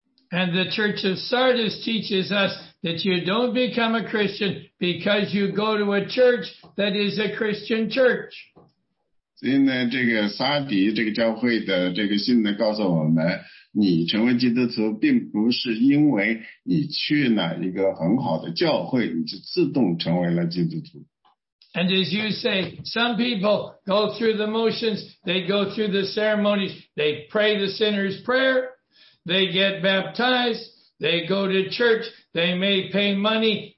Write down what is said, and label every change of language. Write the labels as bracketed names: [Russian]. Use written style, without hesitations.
[English] And the Church of Sardis teaches us that you don't become a Christian because you go to a church that is a Christian church. [Chinese] 所以呢，这个沙迪这个教会的这个信呢，告诉我们。你成为基督徒，并不是因为你去哪一个很好的教会，你就自动成为了基督徒。 [English] And as you say, some people go through the motions, they go through the ceremonies, they pray the sinner's prayer, they get baptized, they go to church, they may pay money.